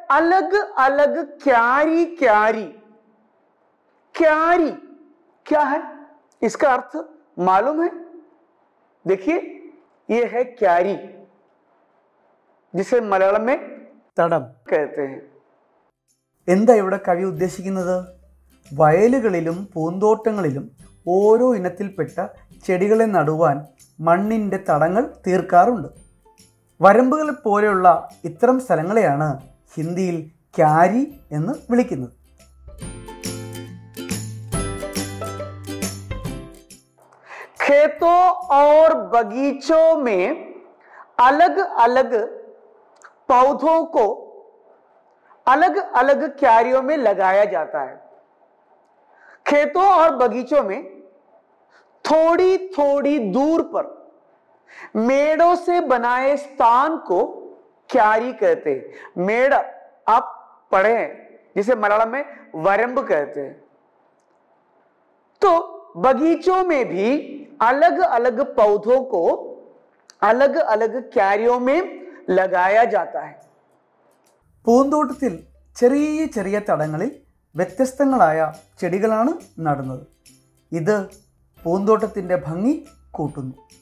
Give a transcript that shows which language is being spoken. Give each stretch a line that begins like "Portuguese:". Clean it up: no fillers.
Hindi: अलग अलग क्यारी क्यारी। क्यारी क्या है, इसका अर्थ मालूम है? देखिए यह है क्यारी, जिसे मलयालम में
Malayalam: തടം കേറ്റേ. എന്താ ഇവിടെ കവി ഉദ്ദേശിക്കുന്നത്? വയലുകളിലും പൂന്തോട്ടങ്ങളിലും ഓരോ ഇനത്തിൽപ്പെട്ട ചെടികളെ നടുവാൻ മണ്ണിൻ്റെ തടങ്ങൾ തീർക്കാറുണ്ട്. വരമ്പുകൾ പോലെയുള്ള ഇത്തരം സ്ഥലങ്ങളെയാണ് ഹിന്ദിയിൽ ക്യാരി എന്ന് വിളിക്കുന്നത്.
Hindi: ഖേതോ ഓർ ബഗീചോ മേ അലഗ് അലഗ് पौधों को अलग अलग क्यारियों में लगाया जाता है। खेतों और बगीचों में थोड़ी थोड़ी दूर पर मेड़ों से बनाए स्थान को क्यारी कहते हैं। मेड़ आप पढ़े हैं, जिसे मलयालम में वरंब कहते हैं। तो बगीचों में भी अलग अलग पौधों को अलग अलग क्यारियों में लगाया जाता है।
Malayalam: പൂന്തോട്ടത്തിൽ ചെറിയ ചെറിയ തടങ്ങളിൽ വ്യത്യസ്തങ്ങളായ ചെടികളാണ് നടുന്നത്. ഇത് പൂന്തോട്ടത്തിന്റെ ഭംഗി കൂട്ടുന്നു.